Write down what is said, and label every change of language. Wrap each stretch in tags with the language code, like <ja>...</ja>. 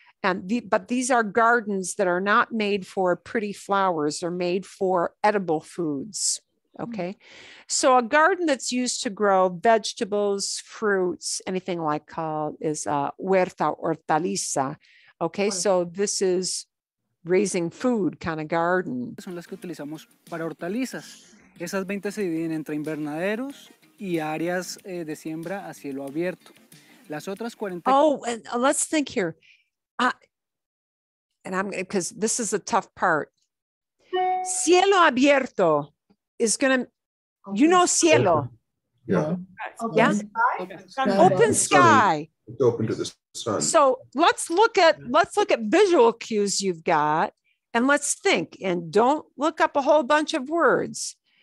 <en>But these are gardens that are not made for pretty flowers, they're made for edible foods, okay? So a garden that's used to grow vegetables, fruits, anything like called is huerta, hortaliza, okay? So this is raising food kind of garden.</en> <es>Son las que utilizamos para hortalizas. Esas 20 se dividen entre invernaderos y áreas de siembra a cielo abierto. Las otras 40...</es> <en>Oh, and let's think here. And I'm going to, because this is a tough part. Cielo abierto is going to, you know, cielo. Open. Yeah. Open. Yeah. Open sky. Open sky. It's open to the sun. So let's look at visual cues you've got and let's think and don't look up a whole bunch of words.</en>